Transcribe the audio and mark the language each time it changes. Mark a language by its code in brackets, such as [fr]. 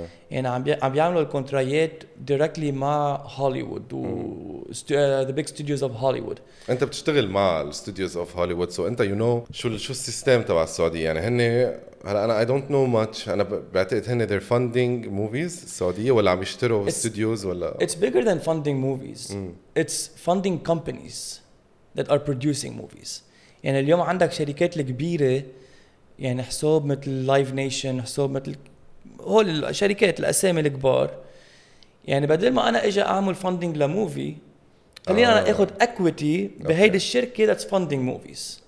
[ar] يعني عم بيعملوا الكونترايات directly مع هوليوود و [en] the big studios of Hollywood. [ar] انت بتشتغل مع [en] studios of Hollywood so [ar] انت [en] you know [ar] شو السيستم تبع السعودية يعني هن هلا انا [en] I don't know much [ar] انا بعتقد هن [en] they're funding movies [ar] السعودية ولا عم يشتروا studios ولا [en] it's bigger than funding movies it's funding companies that are producing movies. [ar] يعني اليوم عندك شركات الكبيرة يعني حساب مثل Live Nation حساب مثل هول الشركات الأسامي الكبار يعني بدل ما أنا إجا أعمل funding لموفي خلينا أنا أخذ equity بهيدي الشركة [en] that's funding movies.